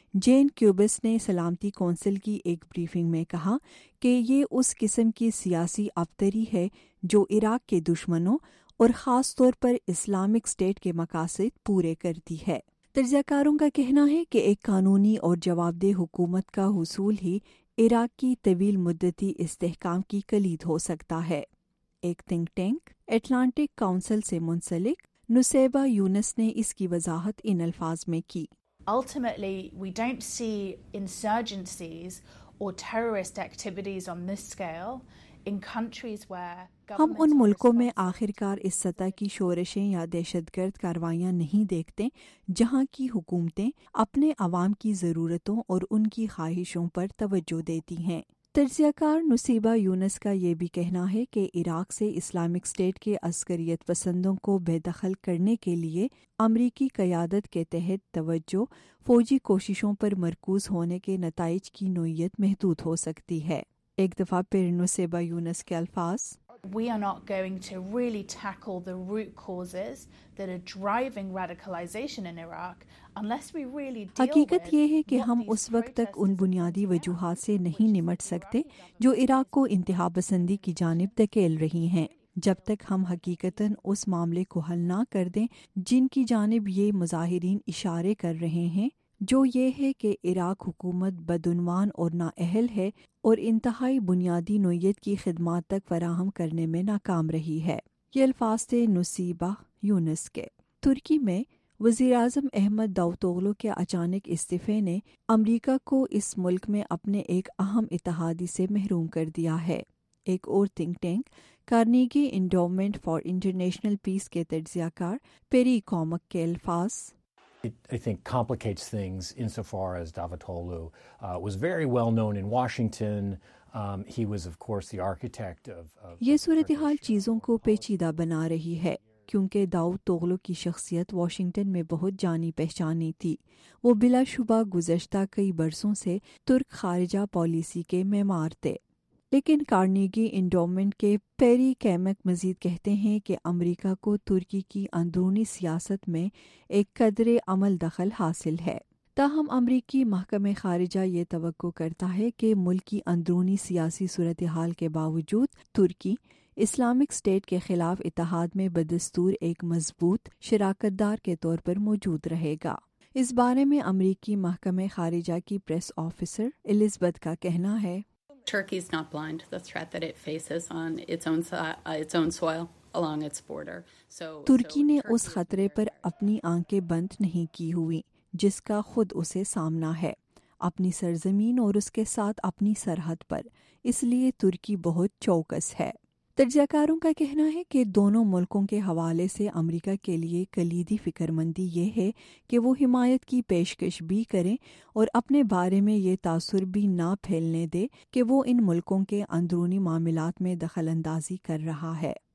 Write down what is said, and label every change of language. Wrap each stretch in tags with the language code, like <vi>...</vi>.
<ur>Jain cubes نے سلامتی council کی ایک بریفنگ میں کہا کہ یہ اس قسم کی سیاسی افتری ہے جو عراق کے دشمنوں اور خاص طور پر اسلامک اسٹیٹ کے مقاصد پورے کرتی ہے۔ تجزیہ کاروں کا کہنا ہے کہ ایک قانونی اور جواب دہ حکومت کا حصول ہی عراق کی طویل مدتی استحکام کی کلید ہو سکتا ہے۔ ایک تھنک ٹینک اٹلانٹک کونسل سے منسلک نسیبہ یونس نے اس کی وضاحت ان الفاظ میں کی۔</ur> <en>Ultimately, we don't see insurgencies or terrorist activities on this scale in countries where</en> <ur>ہم ان ملکوں میں آخر کار اس سطح کی شورشیں یا دہشت گرد کاروائیاں نہیں دیکھتے جہاں کی حکومتیں اپنے عوام کی ضرورتوں اور ان کی خواہشوں پر توجہ دیتی ہیں۔ تجزیہ کار نصیبہ یونس کا یہ بھی کہنا ہے کہ عراق سے اسلامک اسٹیٹ کے عسکریت پسندوں کو بے دخل کرنے کے لیے امریکی قیادت کے تحت توجہ فوجی کوششوں پر مرکوز ہونے کے نتائج کی نوعیت محدود ہو سکتی ہے۔ ایک دفعہ پھر نصیبہ یونس کے الفاظ۔</ur> <en>We are not going to really tackle the root causes that are driving radicalization in Iraq unless we really deal with</en> <ur>حقیقت یہ ہے کہ ہم اس وقت تک ان بنیادی وجوہات سے نہیں نمٹ سکتے جو عراق کو انتہا پسندی کی جانب دھکیل رہی ہیں، جب تک ہم حقیقتاً اس معاملے کو حل نہ کر دیں جن کی جانب یہ مظاہرین اشارے کر رہے ہیں، جو یہ ہے کہ عراق حکومت بدعنوان اور نااہل ہے اور انتہائی بنیادی نوعیت کی خدمات تک فراہم کرنے میں ناکام رہی ہے۔ یہ الفاظ تھے نصیبہ یونس کے۔ ترکی میں وزیراعظم احمد داؤتوغلو کے اچانک استعفے نے امریکہ کو اس ملک میں اپنے ایک اہم اتحادی سے محروم کر دیا ہے۔ ایک اور think tank Carnegie endowment for international peace کے تجزیہ کار پیری کومک کے الفاظ۔</ur> <en>I think complicates things insofar as Davutoğlu was very well known in Washington. He was of course the architect of</en> <ur>یہ صورتحال چیزوں کو پیچیدہ بنا رہی ہے، کیونکہ داؤتوغلو کی شخصیت واشنگٹن میں بہت جانی پہچانی تھی۔ وہ بلا شبہ گزشتہ کئی برسوں سے ترک خارجہ پالیسی کے معمار تھے۔ لیکن کارنیگی انڈومنٹ کے پیری کیمک مزید کہتے ہیں کہ امریکہ کو ترکی کی اندرونی سیاست میں ایک قدر عمل دخل حاصل ہے۔ تاہم امریکی محکمہ خارجہ یہ توقع کرتا ہے کہ ملک کی اندرونی سیاسی صورتحال کے باوجود ترکی اسلامک اسٹیٹ کے خلاف اتحاد میں بدستور ایک مضبوط شراکت دار کے طور پر موجود رہے گا۔ اس بارے میں امریکی محکمہ خارجہ کی پریس آفیسر الزبتھ کا کہنا ہے,</ur> <en>Turkey is not blind to the threat that it faces on its own soil along its border. So</en> <ur>Turkey نے اس خطرے پر اپنی آنکھیں بند نہیں کی ہوئی جس کا خود اسے سامنا ہے اپنی سرزمین اور اس کے ساتھ اپنی سرحد پر, اس لیے ترکی بہت چوکس ہے. ترجیہ کاروں کا کہنا ہے کہ دونوں ملکوں کے حوالے سے امریکہ کے لیے کلیدی فکر مندی یہ ہے کہ وہ حمایت کی پیشکش بھی کریں اور اپنے بارے میں یہ تاثر بھی نہ پھیلنے دے کہ وہ ان ملکوں کے اندرونی معاملات میں دخل اندازی کر رہا ہے.</ur>